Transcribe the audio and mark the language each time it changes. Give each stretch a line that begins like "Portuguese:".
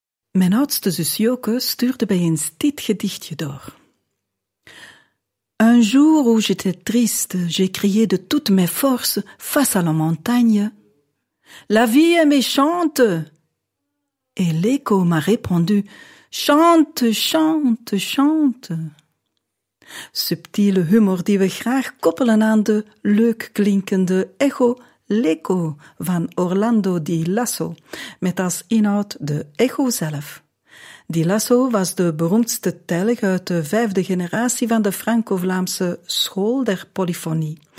Dutch: Mijn oudste zus Joke stuurde mij eens dit gedichtje door.
French: Un jour où j'étais triste, j'ai crié de toutes mes forces face à la montagne. La vie est méchante! Et l'écho m'a répondu, chante, chante, chante.
Dutch: Subtiele humor die we graag koppelen aan de leuk klinkende echo l'écho van Orlando Di Lasso, met als inhoud de echo zelf. Di Lasso was de beroemdste telg uit de vijfde generatie van de Franco-Vlaamse school der polyfonie.